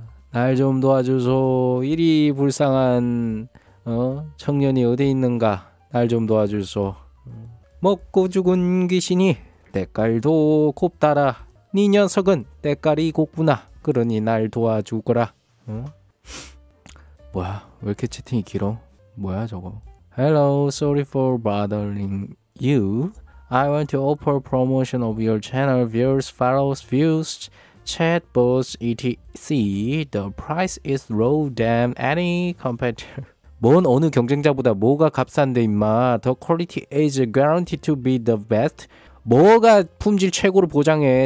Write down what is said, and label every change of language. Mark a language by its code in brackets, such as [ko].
[ko] 날좀 도와줘서 이리 불쌍한 청년이 어디 있는가 날좀 도와줘서 먹고 죽은 귀신이 때깔도 곱다라 니 녀석은 때깔이 곱구나 그러니 날 도와주거라 뭐야 왜 이렇게 채팅이 길어 뭐야 저거 [en] Hello, sorry for bothering you. I want to offer promotion of your channel, viewers, follows, views, chat, bots, etc. The price is low than any competitor. [ko] 뭔 어느 경쟁자보다 뭐가 값싼데 임마. [en] The quality is guaranteed to be the best. [ko] 뭐가 품질 최고로 보장해.